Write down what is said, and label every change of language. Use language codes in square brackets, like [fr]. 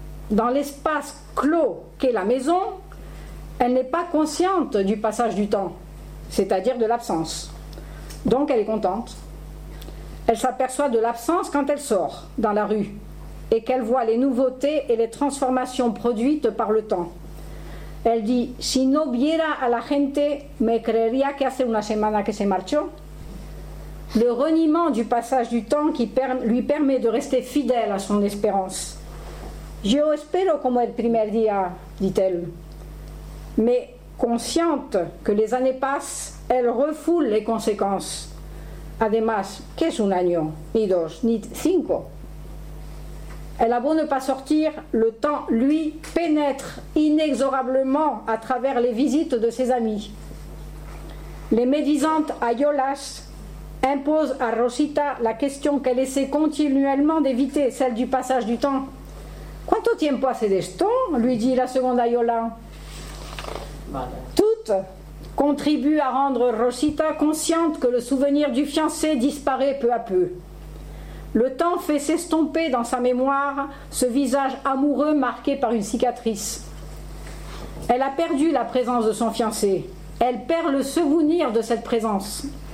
[fr] Dans l'espace clos qu'est la maison, elle n'est pas consciente du passage du temps, c'est-à-dire de l'absence. Donc elle est contente. Elle s'aperçoit de l'absence quand elle sort dans la rue et qu'elle voit les nouveautés et les transformations produites par le temps. Elle dit, [es] si no viera a la gente, me creería que hace una semana que se marchó. [fr] Le reniement du passage du temps qui lui permet de rester fidèle à son espérance. [es] Yo espero como el primer día, [fr] dit-elle. Mais consciente que les années passent, elle refoule les conséquences. [es] Además, ¿qué es un año? Ni dos, ni cinco. [fr] Elle a beau ne pas sortir, le temps, lui, pénètre inexorablement à travers les visites de ses amis. Les médisantes ayolas imposent à Rosita la question qu'elle essaie continuellement d'éviter, celle du passage du temps. [es] « Quanto tiempo hace de esto ?» [fr] lui dit la seconde ayola. Toutes contribuent à rendre Rosita consciente que le souvenir du fiancé disparaît peu à peu. Le temps fait s'estomper dans sa mémoire ce visage amoureux marqué par une cicatrice. Elle a perdu la présence de son fiancé. Elle perd le souvenir de cette présence.